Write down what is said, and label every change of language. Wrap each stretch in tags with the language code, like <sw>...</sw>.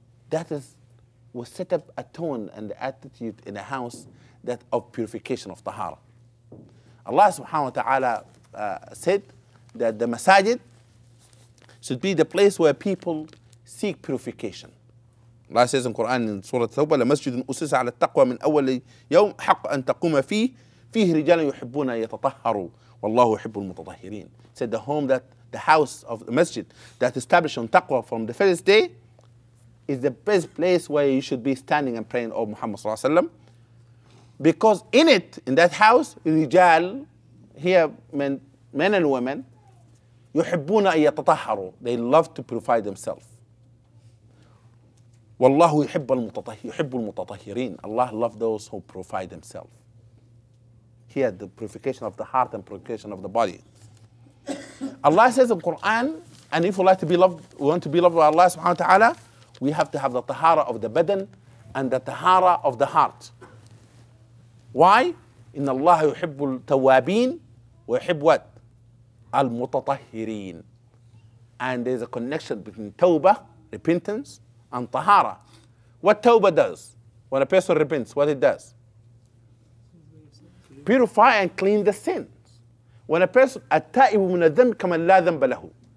<en>That is, we set up a tone and attitude in the house that of purification of tahara. Allah subhanahu wa ta'ala said that the masajid should be the place where people seek purification.</en> <ar>Allah says in Quran in Surah Tawbah, لَمَسْجِدٌ أُسِسَ عَلَى التَّقْوَى مِنْ أَوَّلِ يَوْمْ حَقَّ أَنْ تَقُومَ فِيهِ فِيهِ رِجَالًا يُحِبُّونَ يَتَطَهَّرُوا وَاللَّهُ يُحِبُّ الْمُتَطَهِّرِينَ.</ar> <en>Said the home that, the house of the masjid that established on taqwa from the first day is the best place where you should be standing and praying, O Muhammad sallallahu alayhi wa sallam. Because in it, in that house, رجال, here men and women,</en> <ar>يُحِبُّونَ يَتَطَهَّرُوا.</ar> <en>They love to purify themselves.</en> <ar>وَاللَّهُ يُحِبُّ الْمُتَطَهِّرِينَ.</ar> <en>Allah loves those who purify themselves. Here, the purification of the heart and purification of the body. Allah says in Quran, and if we like to be loved, we want to be loved by Allah subhanahu wa ta'ala, we have to have the tahara of the badan and the tahara of the heart. Why?</en> <ar>إِنَّ اللَّهَ يُحِبُّ الْتَوَّابِينَ وَيُحِبُّ</ar> <en>what?</en> <ar>الْمُتَطَهِّرِينَ.</ar> <en>And there's a connection between tawbah, repentance, and tahara. What tawbah does? When a person repents, what it does? Purify and clean the sins. When a person,</en> <ar>at-ta'ibu min adh-dhanb kaman la dhanba lahu.</ar>